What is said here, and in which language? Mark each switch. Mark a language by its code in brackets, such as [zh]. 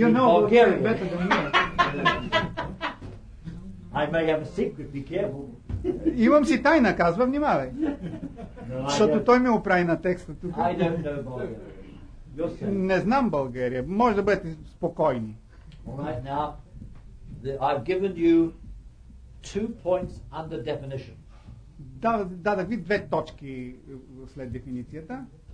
[en] You know Bulgarian better than me. I may have a secret, be careful. [bg] Имам си тайна, казва, внимавай. Защото той ми оправи на текста тук. [en] I don't know Bulgarian. [bg] Не знам България. Може да бъдете спокойни. [en] Right now, I've given you 2 points under definition. [bg] Да, дадах ви 2 точки след дефиницията.